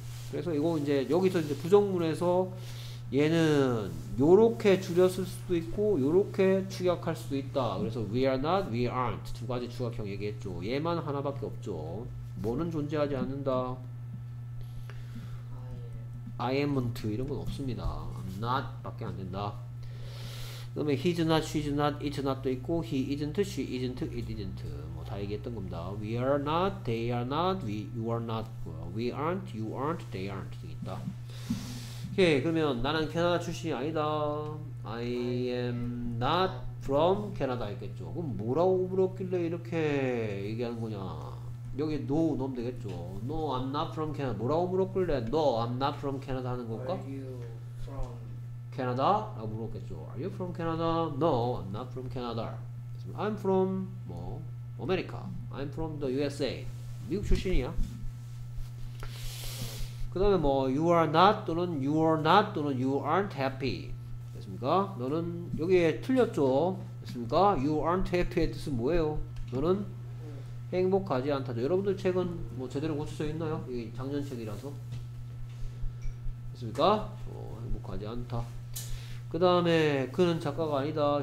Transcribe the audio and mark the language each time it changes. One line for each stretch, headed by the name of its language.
Korean: 그래서 이거 이제 여기서 이제 부정문에서 얘는 요렇게 줄였을 수도 있고 요렇게 축약할 수도 있다 그래서
English: we are not, we aren't
Korean: 두 가지 축약형 얘기했죠 얘만 하나밖에 없죠 뭐는 존재하지 않는다
English: I am. I am't
Korean: 이런 건 없습니다
English: I'm not 밖에 안 된다 그 다음에 he's not, she's not, it's not도 있고 he isn't, she isn't, it isn't 뭐 다 얘기했던 겁니다 we are not, they are not, you are not we aren't, you aren't, they aren't 등 있다
Korean: 오케이 그러면 나는 캐나다 출신이 아니다
English: I am not from 캐나다
Korean: 했겠죠 그럼 뭐라고 물었길래 이렇게 얘기하는 거냐 여기 no 넣으면 되겠죠
English: No I'm not from 캐나다
Korean: 뭐라고 물었길래 No I'm not from 캐나다 하는 걸까
English: Are you from 캐나다?
Korean: 라고 물었겠죠
English: Are you from 캐나다? No I'm not from 캐나다 I'm from 뭐 America I'm from the USA
Korean: 미국 출신이야 그 다음에 뭐
English: you are not 또는 you are not 또는 you aren't happy 됐습니까?
Korean: 너는 여기에 틀렸죠? 됐습니까?
English: you aren't happy
Korean: 의 뜻은 뭐예요? 너는 행복하지 않다. 여러분들 책은 뭐 제대로 고쳐져 있나요? 이 작년 책이라서. 있습니까? 어, 행복하지 않다. 그 다음에 그는 작가가 아니다.